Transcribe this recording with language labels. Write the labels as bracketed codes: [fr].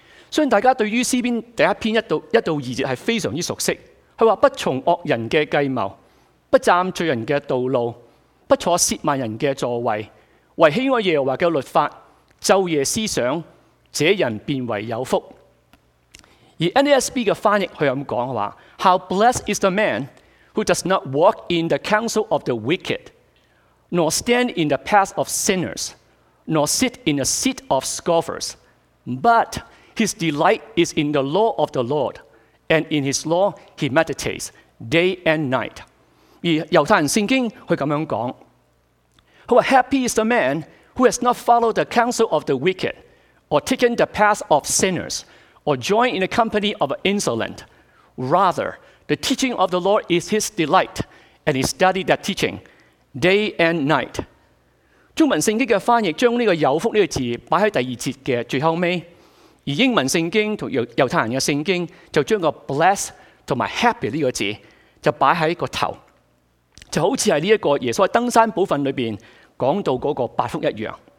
[zh] 相信大家对于诗篇第一篇1-2节是非常熟悉，他说，不从恶人的计谋，不占罪人的道路，不坐涉慢人的座位，唯喜爱耶和华的律法，昼夜思想，这人便为有福。而 NASB 的翻译他这样说， [en] How blessed is the man who does not walk in the counsel of the wicked, nor stand in the path of sinners, nor sit in the seat of scoffers, but his delight is in the law of the Lord, and in his law he meditates day and night. [zh] 而犹太人圣经他这样讲，他说， [en] Happy is the man who has not followed the counsel of the wicked, or taken the path of sinners, or joined in the company of an insolent. Rather, the teaching of the Lord is his delight, and he studied that teaching day and night. [zh] 中文圣经的翻译将这个有福这个字摆在第二节的最后尾，而英文圣经和犹太人的圣经就将个 bless 和 happy 这个字就摆在个头，就好像是这个耶稣在登山宝训里面讲到那个八福一样。